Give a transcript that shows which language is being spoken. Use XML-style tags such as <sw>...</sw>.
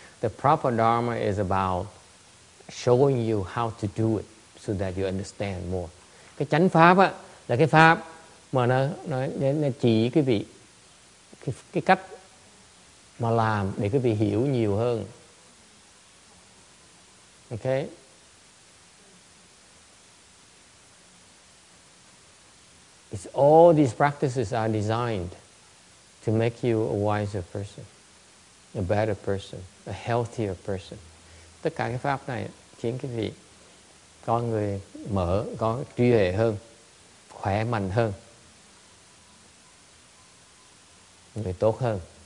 <en>The proper dharma is about showing you how to do it so that you understand more.</en> <vi>Cái chánh pháp á là cái pháp mà nó chỉ quý vị cái cách mà làm để quý vị hiểu nhiều hơn.</vi> <en>Okay? It's all these practices are designed to make you a wiser person, a better person, a healthier person.</en> <vi>Tất cả cái pháp này khiến quý vị có người mở, có trí huệ hơn, khỏe mạnh hơn, người tốt hơn.</vi>